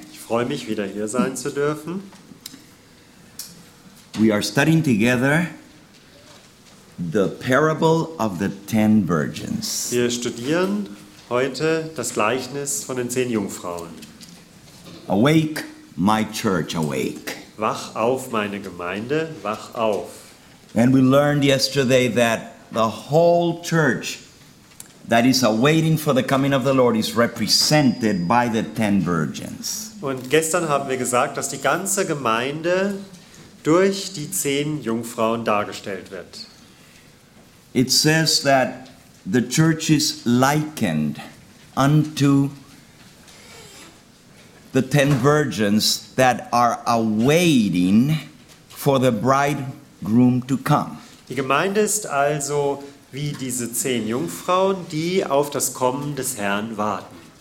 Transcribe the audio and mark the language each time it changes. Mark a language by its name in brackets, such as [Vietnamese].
[German] Ich freue mich, wieder hier sein zu dürfen. [English] We are studying together the parable of the 10 virgins. [German] Wir studieren heute das Gleichnis von den 10 Jungfrauen. [English] Awake, my church, awake. [German] Wach auf, meine Gemeinde, wach auf. [English] And we learned yesterday that the whole church that is awaiting for the coming of the Lord is represented by the 10 virgins. [German] Und gestern haben wir gesagt, dass die ganze Gemeinde durch die 10 Jungfrauen dargestellt wird. [English] It says that the church is likened unto the 10 virgins that are awaiting for the bridegroom to come. [German] Die Gemeinde ist also wie diese 10 Jungfrauen, die auf das Kommen des Herrn warten.